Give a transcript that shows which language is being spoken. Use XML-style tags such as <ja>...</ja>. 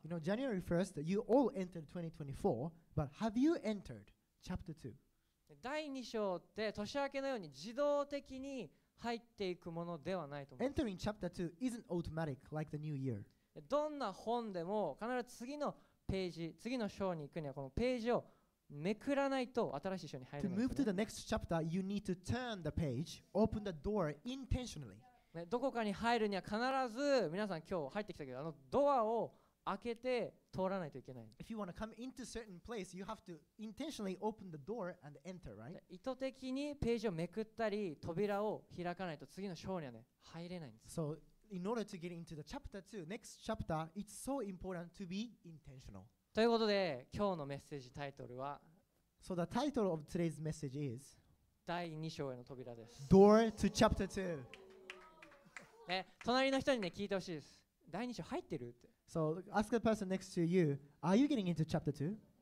<en>You know, January 1st, you all entered 2024, but have you entered chapter 2?</en> <ja>第2章って年明けのように自動的に入っていくものではないと思う。</ja> <en>Entering chapter 2 isn't automatic like the new year.</en> <ja>どんな本でも必ず次のページ、次の章に行くにはこのページをめくらないと新しい章に入れない。</ja> <en>To move to the next chapter, you need to turn the page, open the door intentionally.</en> <ja>どこかに入るには必ず皆さん今日入ってきたけどドアを開けて通らないといけない。</ja> <en>If you want to come into a certain place, you have to intentionally open the door and enter, right?</en> <ja>意図的にページをめくったり扉を開かないと次の章には、ね、入れないんです。</ja> <en>So in order to get into the chapter 2, next chapter, it's so important to be intentional.</en> <ja>ということで今日のメッセージタイトルは</ja> <en>So the title of today's message is</en> <ja>第2章への扉です。</ja> <en>Door to chapter 2.</en> <ja>ね、隣の人に、ね、聞いてほしいです。第二章入ってるって。</ja> <en>So ask the person next to you, are you getting into chapter 2?</en>